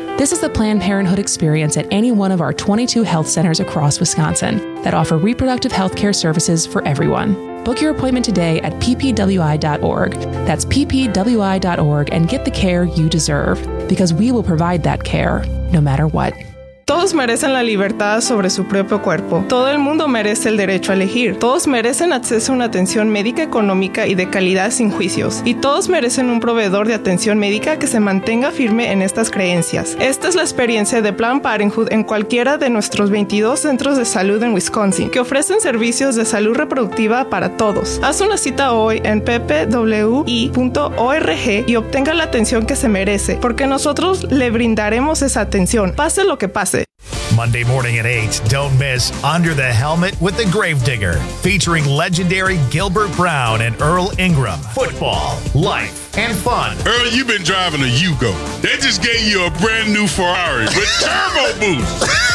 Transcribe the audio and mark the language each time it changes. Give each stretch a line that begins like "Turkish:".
English: This is the Planned Parenthood experience at any one of our 22 health centers across Wisconsin that offer reproductive health care services for everyone. Book your appointment today at ppwi.org. That's ppwi.org and get the care you deserve, because we will provide that care no matter what.
Spanish: Todos merecen la libertad sobre su propio cuerpo. Todo el mundo merece el derecho a elegir. Todos merecen acceso a una atención médica económica y de calidad sin juicios. Y todos merecen un proveedor de atención médica que se mantenga firme en estas creencias. Esta es la experiencia de Planned Parenthood en cualquiera de nuestros 22 centros de salud en Wisconsin, que ofrecen servicios de salud reproductiva para todos. Haz una cita hoy en ppwi.org y obtenga la atención que se merece, porque nosotros le brindaremos esa atención, pase lo que pase.
English: Monday morning at 8, don't miss Under the Helmet with the Gravedigger, featuring legendary Gilbert Brown and Earl Ingram. Football, life, and fun. Earl, you've been driving a Yugo. They just gave you a brand new Ferrari with turbo boost.